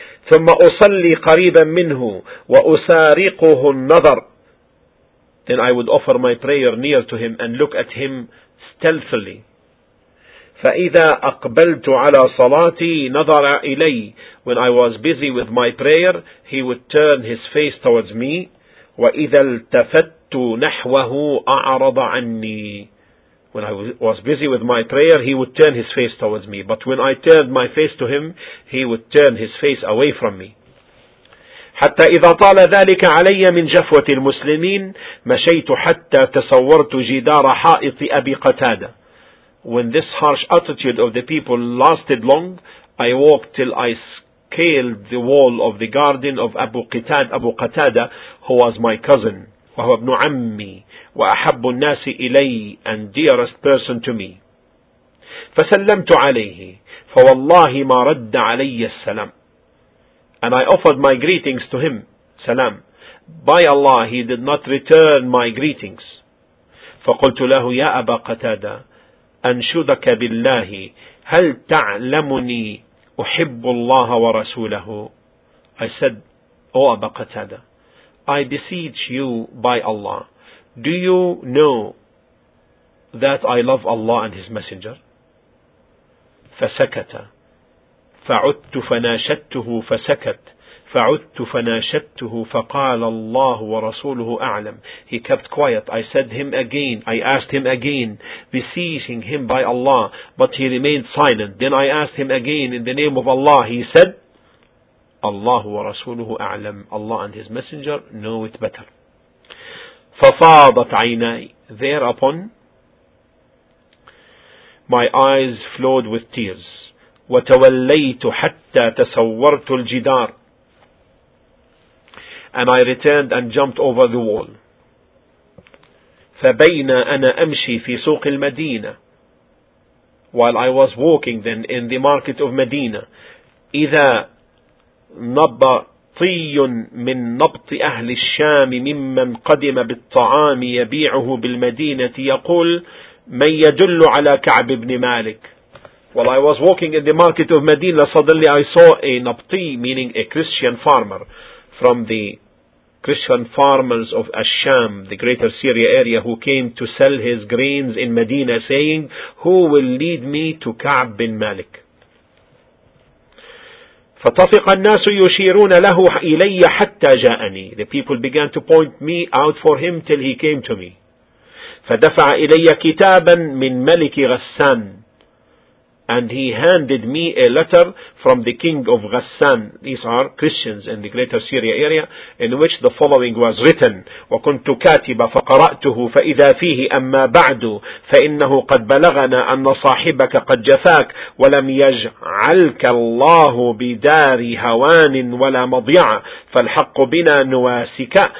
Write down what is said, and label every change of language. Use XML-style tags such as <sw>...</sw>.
<ar>ثم أصلي قريبا منه وأسارقه النظر.</ar> <en>Then I would offer my prayer near to him and look at him stealthily.</en> <ar>فإذا أقبلت على صلاتي نظر إلي.</ar> <en>When I was busy with my prayer, he would turn his face towards me.</en> <ar>وإذا التفت نحوه أعرض عني.</ar> <en>When I was busy with my prayer, he would turn his face towards me. But when I turned my face to him, he would turn his face away from me.</en> <ar>حتى إذا طال ذلك علي من جفوة المسلمين مشيت حتى تصورت جدار حائط أبي قتادة.</ar> <en>When this harsh attitude of the people lasted long, I walked till I scaled the wall of the garden of Abu Qatada, who was my cousin.</en> <ar>وهو ابن عمي وأحب الناس إلي</ar> <en>and dearest person to me.</en> <ar>فسلمت عليه فوالله ما رد علي السلام.</ar> <en>And I offered my greetings to him, salam. By Allah, he did not return my greetings.</en> <ar>فقلت له يا أبا قتادة أنشدك بالله هل تعلمني أحب الله ورسوله.</ar> <en>I said, O Abu Qatada, I beseech you by Allah, do you know that I love Allah and His Messenger?</en> <ar>فسكت فعدت فناشدته فسكت فعدت فناشدته فقال الله ورسوله أعلم.</ar> <en>He kept quiet. I said him again, I asked him again, beseeching him by Allah, but he remained silent. Then I asked him again in the name of Allah. He said,</en> <ar>الله ورسوله أعلم.</ar> <en>Allah and His Messenger know it better.</en> <ar>ففاضت عيناي.</ar> <en>Thereupon, my eyes flowed with tears.</en> <ar>وتوليت حتى تصورت الجدار.</ar> <en>And I returned and jumped over the wall.</en> <ar>فبين أنا أمشي في سوق المدينة.</ar> <en>While I was walking then in the market of Medina,</en> <ar>إذا نبطي من نبط أهل الشام ممن قدم بالطعام يبيعه بالمدينة يقول من يدل على كعب بن مالك.</ar> <en>While I was walking in the market of Medina, suddenly I saw a نبطي, meaning a Christian farmer from the Christian farmers of Ash-Sham, the greater Syria area, who came to sell his grains in Medina, saying, who will lead me to Ka'b bin Malik?</en> <ar>فطفق الناس يشيرون له إلي حتى جاءني.</ar> <en>The people began to point me out for him till he came to me.</en> <ar>فدفع إلي كتابا من ملك غسان.</ar> <en>And he handed me a letter from the king of Ghassan. These are Christians in the greater Syria area, in which the following was written.</en> <ar>وَكُنْتُ كَاتِبَ فَقَرَأْتُهُ فَإِذَا فِيهِ أَمَّا بَعْدُ فَإِنَّهُ قَدْ بَلَغَنَا أَنَّ صَاحِبَكَ قَدْ جَفَاكَ وَلَمْ يَجْعَلْكَ اللَّهُ بِدَارِ هَوَانٍ وَلَا مَضْيَعَ فَالْحَقُّ بِنَا نُوَاسِكَ.</ar>